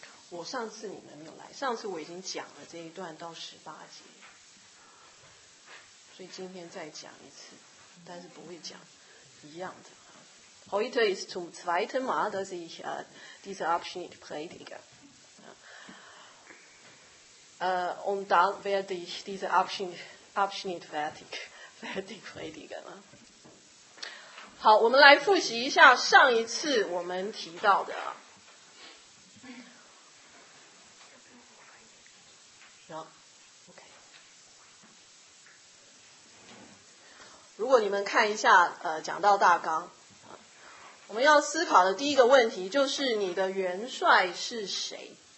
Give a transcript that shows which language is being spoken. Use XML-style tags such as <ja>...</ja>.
<zh>我上次你们没有来，上次我已经讲了这一段到十八节，所以今天再讲一次，但是不会讲一样的。</zh> <de>Heute ist zum zweiten Mal, dass ich diese Abschnitt predige. Und dann werde ich diese Abschnitt fertig predigen.</de> <zh>好，我们来复习一下上一次我们提到的。如果你们看一下讲到大纲，我们要思考的第一个问题就是你的元帅是谁。</zh>